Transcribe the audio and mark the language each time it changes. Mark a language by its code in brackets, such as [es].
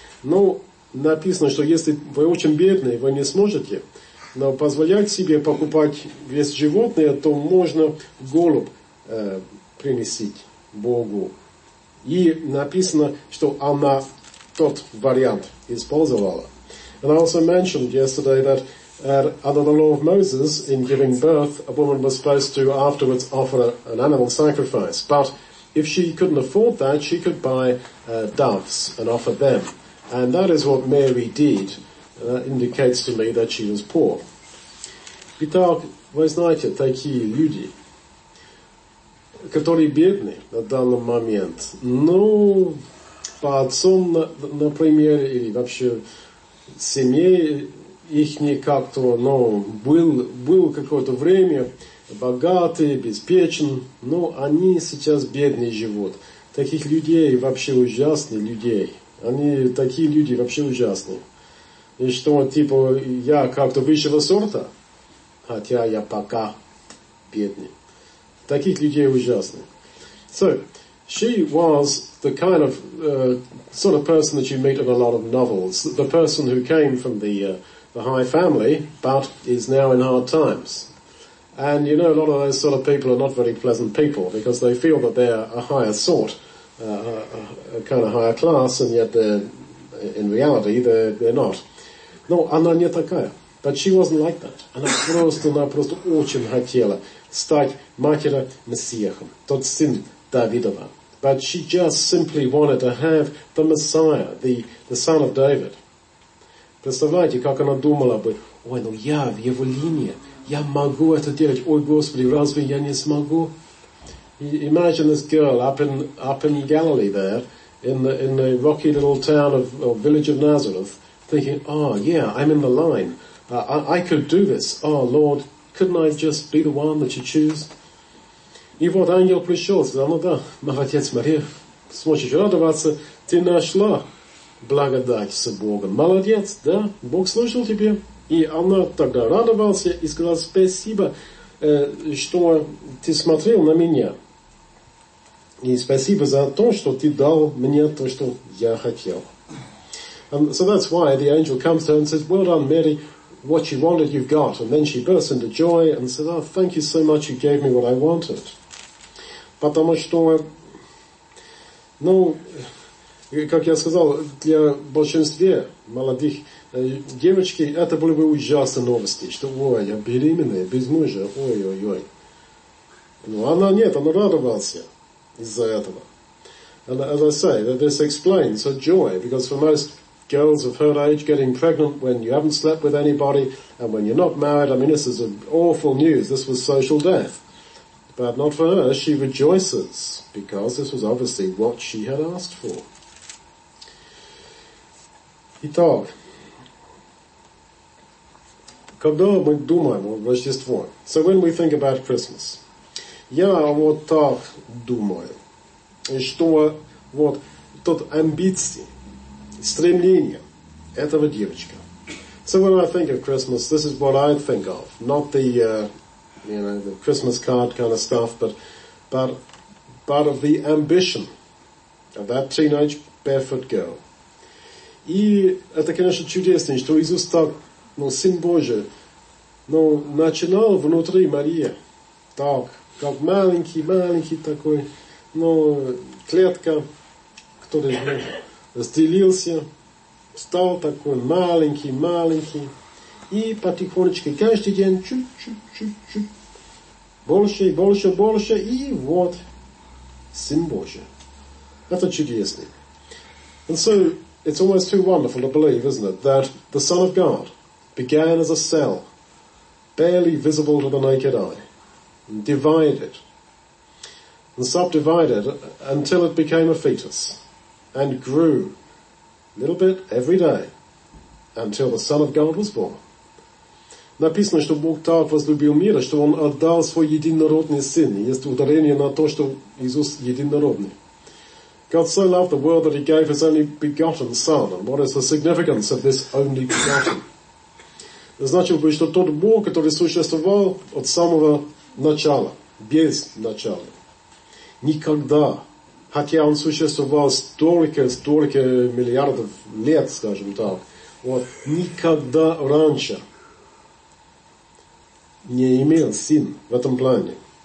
[ru] Ну, написано, что если вы очень бедные, вы не сможете, но позволять себе покупать весь животное, то можно голубь принести Богу. И написано, что она тот вариант использовала. [en] And I also mentioned yesterday that under the law of Moses, in giving birth, a woman was supposed to afterwards offer an animal sacrifice. But if she couldn't afford that, she could buy doves and offer them. And that is what Mary did. That indicates to me that she was poor. [ru] Итак, вы знаете, такие люди, которые бедны на данный момент, ну, по отцам, например, или вообще семье, их не как-то, ну, был какое-то время богатый, обеспечен, но они сейчас бедные живут. Таких людей вообще ужасные людей. Они такие люди вообще ужасные. И что, типа, я как-то высшего сорта, хотя я пока бедный. Таких людей ужасны. [en] So, she was the kind of sort of person that you meet in a lot of novels. The person who came from the high family, but is now in hard times. And you know, a lot of those sort of people are not very pleasant people because they feel that they're a higher sort, a kind of higher class, and yet in reality, they're not. [ru] Но она не такая. [en] But she wasn't like that. [ru] Она просто очень хотела стать матерью Мессиахом, тот сын Давидова. [en] But she just simply wanted to have the Messiah, the son of David. [ru] Представляете, как она думала бы, ой, ну я в его линии, я могу это делать, ой, Господи, разве я не смогу? [en] Imagine this girl up in Galilee there, in the rocky little town of or village of Nazareth, thinking, oh yeah, I'm in the line. I could do this. Oh Lord, couldn't I just be the one that you choose? [ru] И вот ангел пришел, сказал, ну да, молодец, Мария, сможешь радоваться, ты нашла благодать с Богом. Молодец, да, Бог слышал тебе. И она тогда радовалась и сказала, спасибо, что ты смотрел на меня. И спасибо за то, что ты дал мне то, что я хотел. [en] And so that's why the angel comes to her and says, well done, Mary, what you wanted, you've got. And then she bursts into joy and says, oh, thank you so much, you gave me what I wanted. [ru] Потому что, ну, как я сказал, для большинства молодых девочки это были бы ужасные новости, что, ой, я беременная, без мужа, ой-ой-ой. Но она нет, она радовалась из-за этого. [en] And as I say, this explains her joy, because for most girls of her age, getting pregnant when you haven't slept with anybody and when you're not married, I mean, this is awful news. This was social death. But not for her. She rejoices because this was obviously what she had asked for. [ru] Итак, когда мы думаем о Рождестве, [en] so when we think about Christmas, [ru] я вот так думаю, что вот тот амбиции, стремление этого девочка. [en] So when I think of Christmas, this is what I think of, not the you know, the Christmas card kind of stuff, but of the ambition of that teenage barefoot girl. [ru] И это, конечно, чудесно, что Иисус так, ну, Сын Божий, ну, начинал внутри Марии, так, как маленький такой, ну, клетка, который разделился, стал такой маленький, и потихонечку, каждый день, чуть-чуть, больше и больше, больше, и вот Сын Божий. Это чудесно. [en] And so, it's almost too wonderful to believe, isn't it, that the Son of God began as a cell, barely visible to the naked eye, and divided, and subdivided until it became a fetus, and grew a little bit every day, until the Son of God was born. [ru] Написано, что Бог так возлюбил мир, что Он отдал Свой единородный Сын. Есть ударение на то, что Иисус единородный. [en] God so loved the world that He gave His only begotten Son. And what is the significance of this only begotten? [ru] Значит, что тот Бог, который существовал от самого начала, без начала, никогда, хотя Он существовал столько миллиардов лет, скажем так, вот, никогда раньше не имел Сын в этом плане.